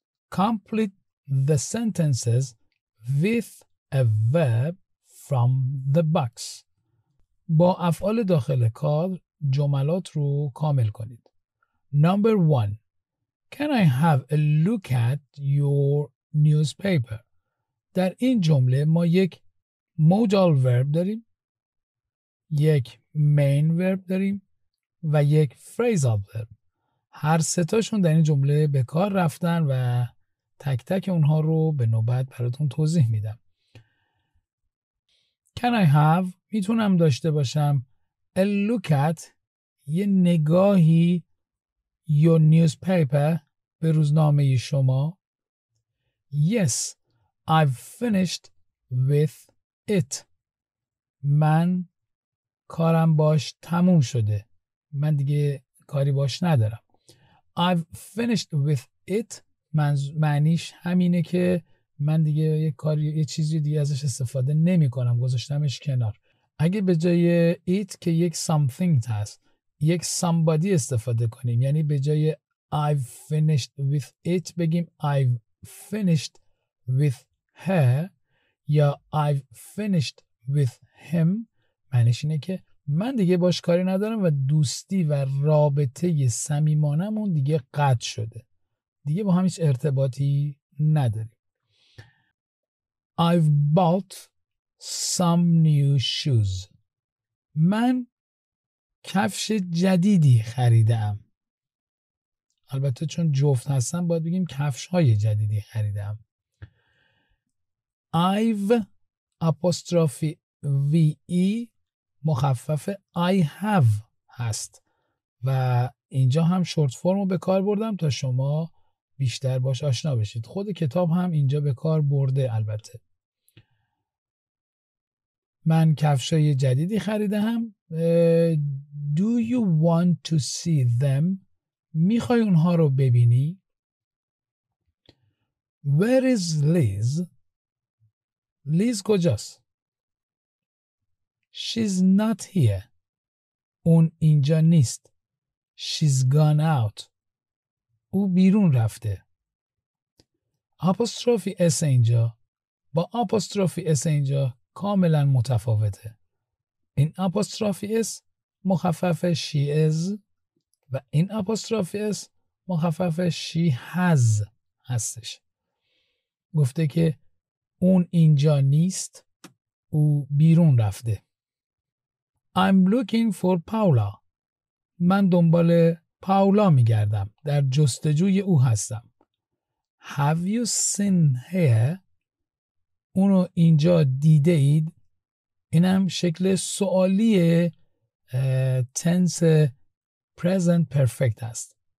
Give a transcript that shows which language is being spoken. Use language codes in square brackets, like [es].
[en] Complete the sentences with a verb from the box. [fa] با افعال داخل کادر جملات رو کامل کنید. [en] Number 1. Can I have a look at your newspaper? [fa] در این جمله ما یک modal verb داریم، یک main verb داریم و یک phrasal verb. هر سه تاشون در این جمله به کار رفتن و تک تک اونها رو به نوبت براتون توضیح میدم. [en] Can I have، [fa] میتونم داشته باشم، [en] a look at، [fa] یه نگاهی، [en] your newspaper، [fa] به روزنامه شما. [en] Yes, I've finished with it. [fa] من کارم باش تموم شده. من دیگه کاری باش ندارم. [en] I've finished with it. [fa] معنیش همینه که من دیگه یه کاری، یه چیزی دیگه ازش استفاده نمی کنم. گذاشتمش کنار. اگه به جای it که یک something هست، یک somebody استفاده کنیم. یعنی به جای [en] I've finished with it [fa] بگیم [en] I've finished with her [fa] یا [en] I've finished with him، [fa] معنیش اینه که من دیگه باش کاری ندارم و دوستی و رابطه صمیمانه‌مون دیگه قطع شده، دیگه با هم هیچ ارتباطی نداریم. [en] I've bought some new shoes. [fa] من کفش جدیدی خریدم. البته چون جفت هستم باید بگیم کفش های جدیدی خریدم. I've apostrophe V-E مخفف I have هست و اینجا هم شورت فرمو به کار بردم تا شما بیشتر باش آشنا بشید. خود کتاب هم اینجا به کار برده. البته من کفش های جدیدی خریدم. [en] Do you want to see them؟ [fa] میخوای اونها رو ببینی؟ [en] Where is Liz؟ Liz کجاست؟ She's not here. [fa] اون اینجا نیست. [en] She's gone out. [fa] او بیرون رفته. apostrophe S اینجا با apostrophe S اینجا کاملا متفاوته. این apostrophe S مخفف she is و این apostrophe S مخفف she has هستش. گفته که اون اینجا نیست، او بیرون رفته. [en] I'm looking for Paula. [fa] من دنبال پاولا میگردم، در جستجوی او هستم. [en] Have you seen her؟ [fa] اونو اینجا دیده اید؟ اینم شکل سوالی tense present perfect است.